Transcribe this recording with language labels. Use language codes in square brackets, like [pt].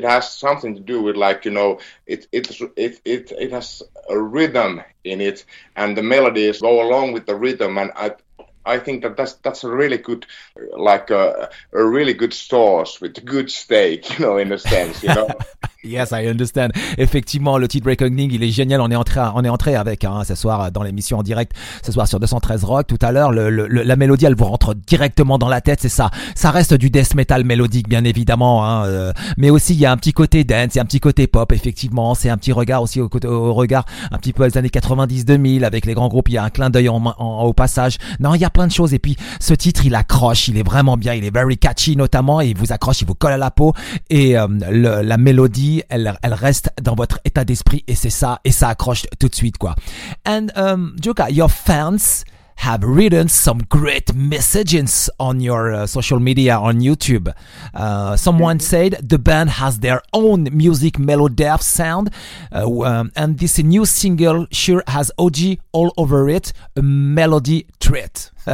[en] It has something to do with, like, you know, it has a rhythm in it, and the melodies go along with the rhythm. And I think that's a really good, like a really good sauce with good steak, you know, in a sense, you know. Yes, I understand. [fr] Effectivement, le titre Reckoning, il est génial. On est entré avec, hein, ce soir dans l'émission en direct, ce soir sur 213 Rock. Tout à l'heure, la mélodie, elle vous rentre directement dans la tête. C'est ça. Ça reste du death metal mélodique, bien évidemment, hein. Mais aussi, il y a un petit côté dance, il y a un petit côté pop. Effectivement, c'est un petit regard aussi au regard un petit peu aux années 90-2000 avec les grands groupes. Il y a un clin d'œil au passage. Non, il y a plein de choses. Et puis, ce titre, il accroche. Il est vraiment bien. Il est [en] very catchy, [fr] notamment. Il vous accroche, il vous colle à la peau. Et la mélodie, elle reste dans votre état d'esprit, et c'est ça, et ça accroche tout de suite, quoi. [en] And Djoka, your fans have written some great messages on your social media on YouTube. Someone said the band has their own music melodic sound, and this new single sure has OG all over it, a melody treat.